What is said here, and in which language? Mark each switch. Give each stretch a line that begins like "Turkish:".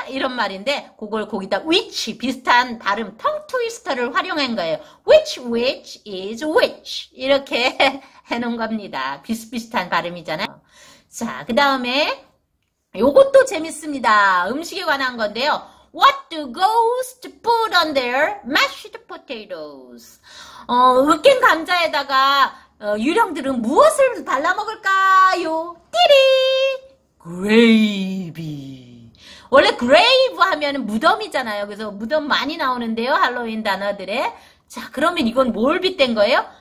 Korean: 이런 말인데 그걸 거기다 which 비슷한 발음 tongue twister를 활용한 거예요.
English: which is which? 이렇게 해놓은 겁니다.
Korean: 비슷비슷한 발음이잖아요. 자, 그 다음에 요것도 재밌습니다. 음식에 관한 건데요.
English: What do ghosts put on their mashed potatoes?
Korean: 으깬 감자에다가 유령들은 무엇을 발라 먹을까요? 띠리! 그레이비. 원래 그레이브 하면 무덤이잖아요. 그래서 무덤 많이 나오는데요. 할로윈 단어들에. 자, 그러면 이건 뭘 빗댄 거예요?